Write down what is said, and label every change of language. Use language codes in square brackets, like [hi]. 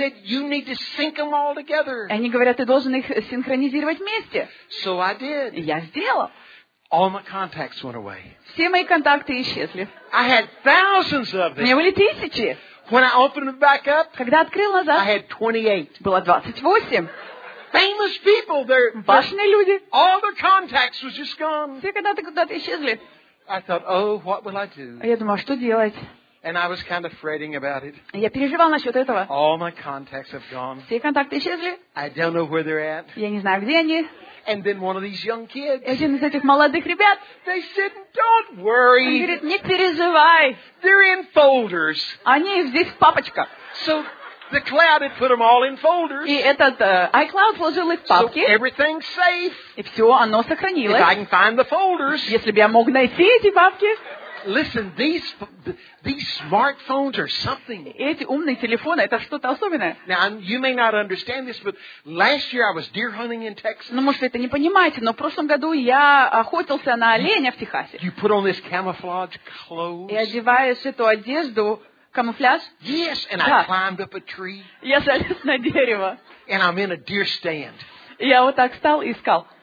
[en] Said, you need to sync them all together. [ru] И они говорят, ты должен их синхронизировать вместе. [en] So I did. [ru] И я сделал. [en] All my contacts went away. [ru] Все мои контакты исчезли. [en] I had thousands of them. [ru] У меня были тысячи. [en] When I opened them back up, [ru] когда открыл назад, [en] I had 28. [ru] Было 28. [en] Famous people, [ru] важные люди. [en] All their contacts was just gone. [ru] Все когда-то исчезли. [en] I thought, oh, what will I do? [ru] Я думал, что делать? [en] And I was kind of fretting about it. [ru] Я переживал насчёт этого. [en] All my contacts have gone. [ru] Все контакты исчезли. [en] I don't know where they're at. [ru] Я не знаю, где они. [en] And then one of these young kids. [ru] Один из этих молодых ребят. [en] They said, "Don't worry." [ru] Он говорит, не переживай. [en] They're in folders. [ru] Они здесь в папочках. [en] So the cloud had put them all in folders. [ru] И этот iCloud сложил их в папки. [en] So everything's safe. [ru] И всё оно сохранилось. [en] If I can find the folders. [ru] Если бы я мог найти эти папки. [en] Listen, these smartphones are something. [ru] Эти умные телефоны это что-то особенное. [en] Now you may not understand this, but last year I was deer hunting in Texas. [ru] Ну, может, вы это не понимаете, но в прошлом году я охотился на оленя в Техасе. [en] You put on this camouflage clothes. [ru] И одеваешь эту одежду камуфляж? [en] Yes, and [ru] да. [en] I climbed up a tree. [ru] Я залез на дерево. [en] And I'm in a deer stand. [ru] Я вот так встал и искал.